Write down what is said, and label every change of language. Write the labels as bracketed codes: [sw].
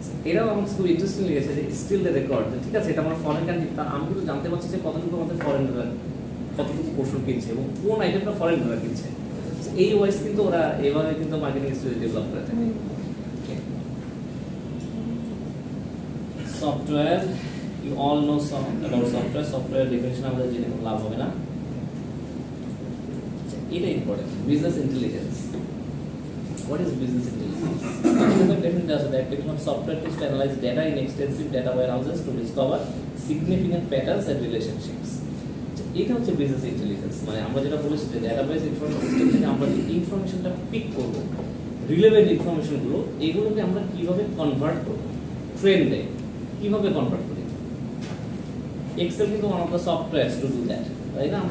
[bn] এরাও আমার খুব ইন্টারেস্টিং লেগেছে যে [en] still the record, [bn] ঠিক আছে, এটা আমার ফরেন কান্ট্রি, তা আমি কিন্তু জানতে পারছি যে কতটুকু আমাদের ফরেনার কতটুকু পোর্শন কিনছে এবং কোন আইটেমটা ফরেনার কিনছে, এই ওয়াইজ কিন্তু ওরা এভাবে কিন্তু মার্কেটিং স্ট্র্যাটেজি ডেভেলপ করে থাকে। Software, [en] you all know about software, [bn] software definition আমাদের জেনে কোনো লাভ হবে না, এটা important. [en] Business intelligence, what is business intelligence? The definition does that it comes software to analyze data in extensive data warehouses to discover significant patterns and relationships. [bn] এটা হচ্ছে business intelligence, মানে আমরা যেটা বলেছি যে database information system থেকে আমরা যে information টা pick করব, relevant information গুলো, এগুলোকে আমরা কিভাবে convert করব, train দে কিভাবে convert করি, excel কিন্তু [en] one of the softwares to do that, [bn] তাই না?